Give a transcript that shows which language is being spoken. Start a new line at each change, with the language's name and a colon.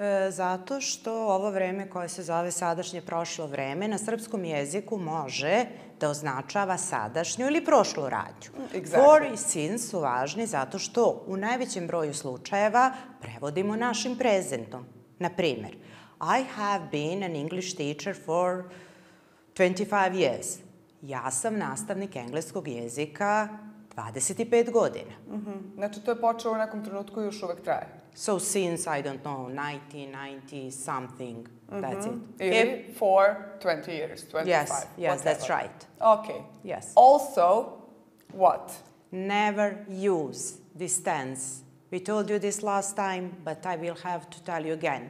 Serbian: Zato što ovo vreme koje se zove sadašnje prošlo vreme na srpskom jeziku može da označava sadašnju ili prošlu radnju.
English: Exactly.
Serbian: For i since su važni zato što u najvećem broju slučajeva prevodimo našim prezentom. Naprimjer,
English: I have been an English teacher for 25 years.
Serbian: Ja sam nastavnik engleskog jezika 25 godina. Mm-hmm. Znači, to je počelo u nekom trenutku i još uvek traje.
English: So, since, I don't know, 1990 something, mm-hmm. That's it. Okay. For 20 years, 25. Yes, yes, whatever. That's right. Okay. Yes. Also, what? Never use this tense. We told you this last time, but I will have to tell you again.